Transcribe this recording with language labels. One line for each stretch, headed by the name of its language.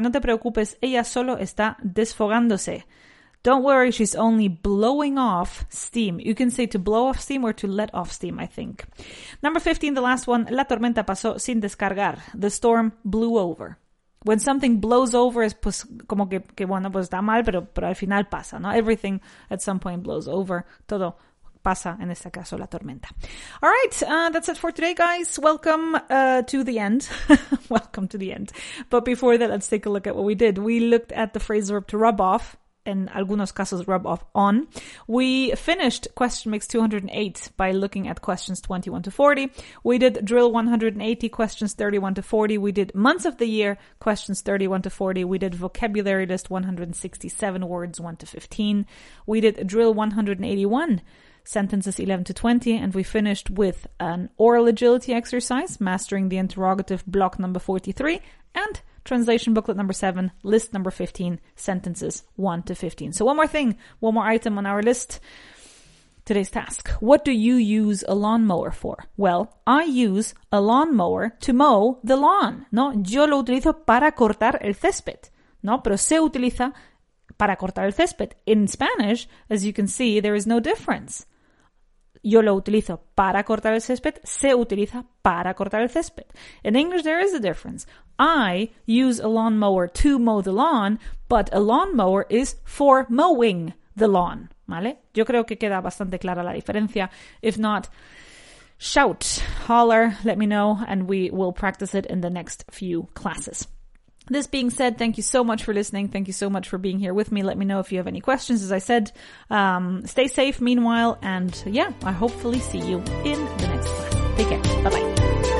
Spanish: No te preocupes, ella solo está desfogándose.
English: Don't worry, she's only blowing off steam. You can say to blow off steam or to let off steam, I think. Number 15, the last one.
Spanish: La tormenta pasó sin descargar.
English: The storm blew over. When something blows over,
Spanish: es pues como que bueno, pues está mal, pero al final pasa, ¿no?
English: Everything at some point blows over.
Spanish: Todo pasa, en este caso, la tormenta.
English: All right, that's it for today, guys. Welcome to the end. Welcome to the end. But before that, let's take a look at what we did. We looked at the phrase verb to rub off,
Spanish: en algunos casos
English: rub off on. We finished question mix 208 by looking at questions 21 to 40. We did drill 180, questions 31 to 40. We did months of the year, questions 31 to 40. We did vocabulary list 167, words 1 to 15. We did drill 181, sentences 11 to 20, and we finished with an oral agility exercise, mastering the interrogative block number 43, and translation booklet number 7, list number 15, sentences 1 to 15. So one more thing, one more item on our list. Today's task. What do you use a lawnmower for? Well, I use a lawnmower to mow the lawn.
Spanish: No, yo lo utilizo para cortar el césped. No, pero se utiliza para cortar el césped.
English: In Spanish, as you can see, there is no difference.
Spanish: Yo lo utilizo para cortar el césped. Se utiliza para cortar el césped.
English: In English, there is a difference. I use a lawnmower to mow the lawn, but a lawnmower is for mowing the lawn.
Spanish: ¿Vale? Yo creo que queda bastante clara la diferencia.
English: If not, shout, holler, let me know, and we will practice it in the next few classes. This being said, thank you so much for listening. Thank you so much for being here with me. Let me know if you have any questions. As I said, stay safe meanwhile. And yeah, I hopefully see you in the next class. Take care. Bye-bye.